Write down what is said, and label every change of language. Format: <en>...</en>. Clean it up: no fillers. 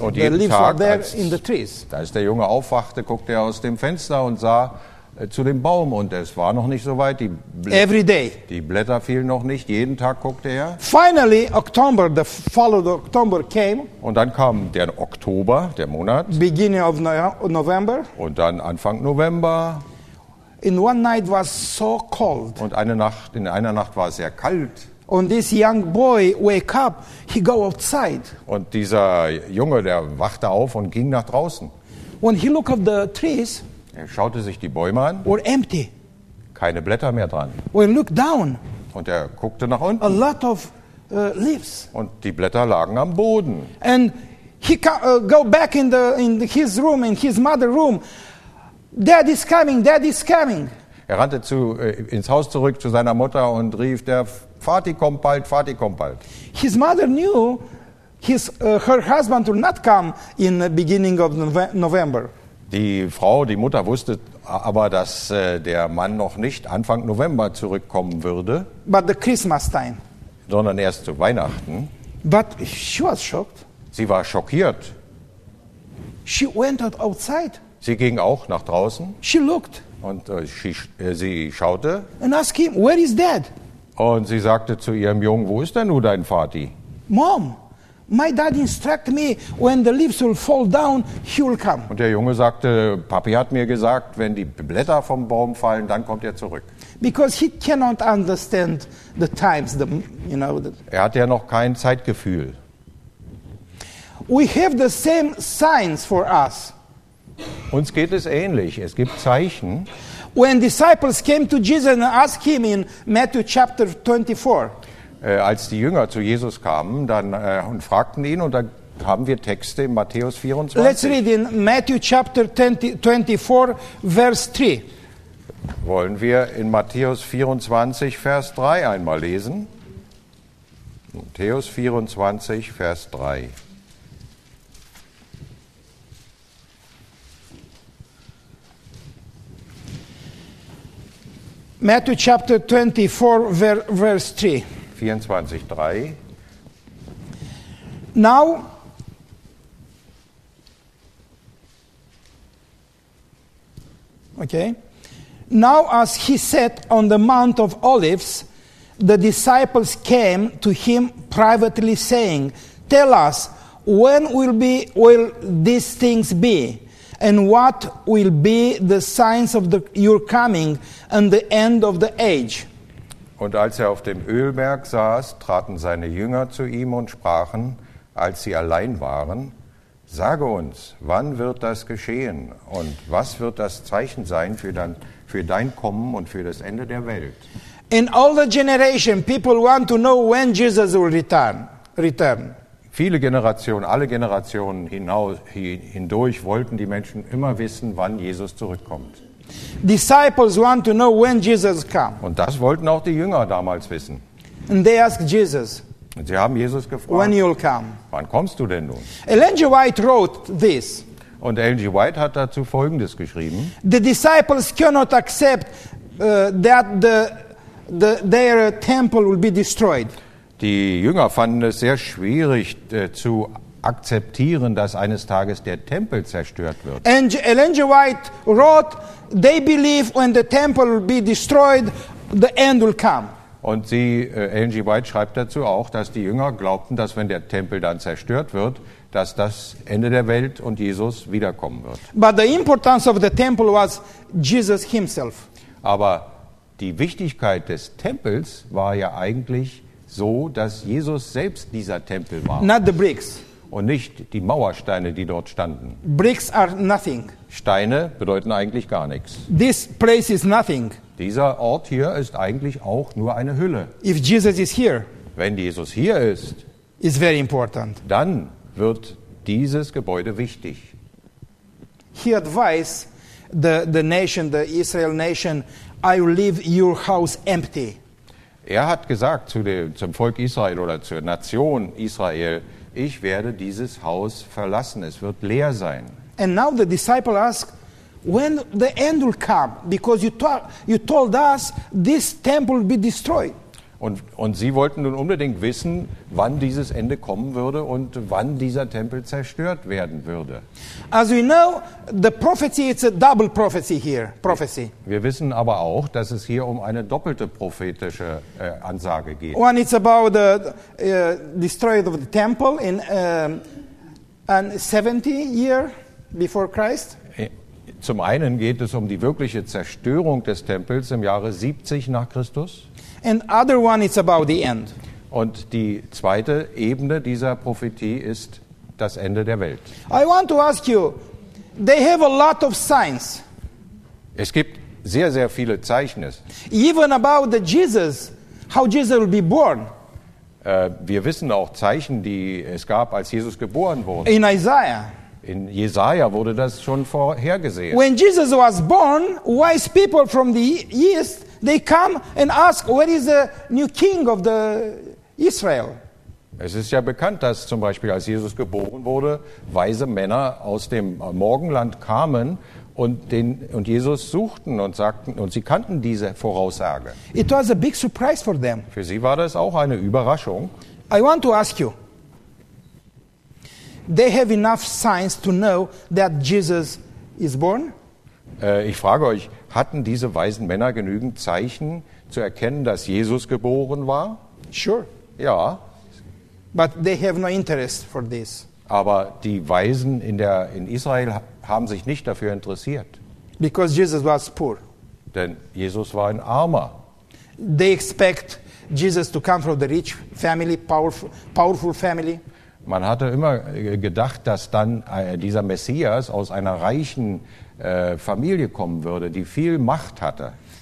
<de>Und jeden Tag,</de> <en>are there</en> <de>als,</de> <en>in the trees.</en> <de>Als der Junge aufwachte, guckte er aus dem Fenster und sah zu dem Baum. Und es war noch nicht so weit. Die Blätter fielen noch nicht. Jeden Tag guckte er.</de> <en>Finally, October, the following October came.</en> <de>Und dann kam der Oktober, der Monat.</de> <en>Beginning of November.</en> <de>Und dann Anfang November.</de> <en>In one night was so cold.</en> <de>Und in einer Nacht war es sehr kalt.</de> <en>And this young boy wake up, he go outside.</en> <de>Und dieser Junge, der wachte auf und ging nach draußen.</de> <en>When he look at the trees,</en> <de>er schaute sich die Bäume an.</de> <en>Were empty.</en> <de>Keine Blätter mehr dran.</de> <en>When he looked down,</en> <de>und er guckte nach unten.</de> <en>A lot of leaves.</en> <de>Und die Blätter lagen am Boden.</de> <en>And he go back in the his room, in his mother's room. Dad is coming, Dad is coming.</en> <de>Er rannte ins Haus zurück zu seiner Mutter und rief, der Vati kommt bald, Vati kommt bald.</de> <en>His mother knew her husband would not come in the beginning of November.</en> <de>Die Frau, die Mutter wusste aber, dass der Mann noch nicht Anfang November zurückkommen würde.</de> <en>But the Christmas time.</en> <de>Sondern erst zu Weihnachten.</de> <en>But she was shocked.</en> <de>Sie war schockiert.</de> <en>She went outside.</en> <de>Sie ging auch nach draußen.</de> <en>She looked.</en> <de>Und sie schaute.</de> <en>And asked him, where is Dad?</en> <de>Und sie sagte zu ihrem Jungen, wo ist denn nun dein Vati?</de> <en>Mom. My dad instructed me, when the leaves will fall down, he will come.</en> <de>Und der Junge sagte, Papi hat mir gesagt, wenn die Blätter vom Baum fallen, dann kommt er zurück.</de> <en>Because he cannot understand the times,</en> <de>Er hat ja noch kein Zeitgefühl.</de> <en>We have the same signs for us.</en> <de>Uns geht es ähnlich. Es gibt Zeichen.</de> <en>When disciples came to Jesus and asked him in Matthew chapter 24.</en> <de>Als die Jünger zu Jesus kamen dann, und fragten ihn, und da haben wir Texte in Matthäus 24.</de> <en>Let's read in Matthew chapter 24, verse 3.</en> <de>Wollen wir in Matthäus 24, Vers 3 einmal lesen? Matthäus 24, Vers 3.</de> <en>Matthew chapter 24, verse 3. 24:3. Now, okay. Now, as he sat on the Mount of Olives, the disciples came to him privately, saying, "Tell us, when will these things be, and what will be the signs of your coming and the end of the age?"</en> <de>Und als er auf dem Ölberg saß, traten seine Jünger zu ihm und sprachen, als sie allein waren, sage uns, wann wird das geschehen und was wird das Zeichen sein für dein Kommen und für das Ende der Welt?</de> <en>In all the generation, people want to know when Jesus will return.</en> <de>Viele Generationen, alle Generationen hindurch wollten die Menschen immer wissen, wann Jesus zurückkommt.</de> <en>Disciples want to know when Jesus come.</en> <de>Und das wollten auch die Jünger damals wissen.</de> <en>And they asked Jesus.</en> <de>Und sie haben Jesus gefragt.</de> <en>When you'll come?</en> <de>Wann kommst du denn nun?</de> <en>Ellen G. White wrote this.</en> <de>Und Ellen G. White hat dazu Folgendes geschrieben.</de> <en>The disciples cannot accept that their temple will be destroyed.</en> <de>Die Jünger fanden es sehr schwierig zu akzeptieren, dass eines Tages der Tempel zerstört wird.</de> <en>And Ellen G. White wrote, they believe when the temple will be destroyed, the end will come.</en> <de>Und sie, Ellen G. White schreibt dazu auch, dass die Jünger glaubten, dass wenn der Tempel dann zerstört wird, dass das Ende der Welt und Jesus wiederkommen wird.</de> <en>But the importance of the temple was Jesus himself.</en> <de>Aber die Wichtigkeit des Tempels war ja eigentlich so, dass Jesus selbst dieser Tempel war.</de> <en>Not the bricks.</en> <de>Und nicht die Mauersteine, die dort standen.</de> <en>Bricks are nothing.</en> <de>Steine bedeuten eigentlich gar nichts.</de> <en>This place is nothing.</en> <de>Dieser Ort hier ist eigentlich auch nur eine Hülle.</de> <en>If Jesus is here,</en> <de>wenn Jesus hier ist,</de> <en>is very important.</en> <de>Dann wird dieses Gebäude wichtig.</de> <en>He advised the nation, the Israel nation, I will leave your house empty.</en> <de>Er hat gesagt zum Volk Israel oder zur Nation Israel, ich werde dieses Haus verlassen, es wird leer sein.</de> <en>And now the disciple asks, when the end will come, because you told us this temple will be destroyed.</en> <de>Und sie wollten nun unbedingt wissen, wann dieses Ende kommen würde und wann dieser Tempel zerstört werden würde.</de> <en>As we know, the prophecy is a double prophecy here, prophecy.</en> <de>Wir wissen aber auch, dass es hier um eine doppelte prophetische Ansage geht.</de> <en>One is about the destruction of the temple in 70 years before Christ.</en> <de>Zum einen geht es um die wirkliche Zerstörung des Tempels im Jahre 70 nach Christus.</de> <en>And other one is about the end.</en> <de>Und die zweite Ebene dieser Prophetie ist das Ende der Welt.</de> <en>I want to ask you, they have a lot of signs.</en> <de>Es gibt sehr, sehr viele Zeichen.</de> <en>Even about the Jesus, how Jesus will be born.</en> <de>Wir wissen auch Zeichen, die es gab, als Jesus geboren wurde.</de> <en>In Isaiah.</en> <de>In Jesaja wurde das schon vorhergesehen.</de> <en>When Jesus was born, wise people from the east, they come and ask, where is the new king of the Israel?</en> <de>Es ist ja bekannt, dass zum Beispiel, als Jesus geboren wurde, weise Männer aus dem Morgenland kamen und Jesus suchten und sagten, und sie kannten diese Voraussage.</de> <en>It was a big surprise for them.</en> <de>Für sie war das auch eine Überraschung.</de> <en>I want to ask you, they have enough signs to know that Jesus is born?</en> <de>Ich frage euch, hatten diese weisen Männer genügend Zeichen zu erkennen, dass Jesus geboren war?</de> <en>Sure.</en> <de>Ja.</de> <en>But they have no interest for this.</en> <de>Aber die Weisen in Israel haben sich nicht dafür interessiert.</de> <en>Because Jesus was poor.</en> <de>Denn Jesus war ein Armer.</de> <en>They expect Jesus to come from the rich family, powerful family.</en> <de>Man hatte immer gedacht, dass dann dieser Messias aus einer reichen Familie kommen würde, die viel Macht hatte.</de>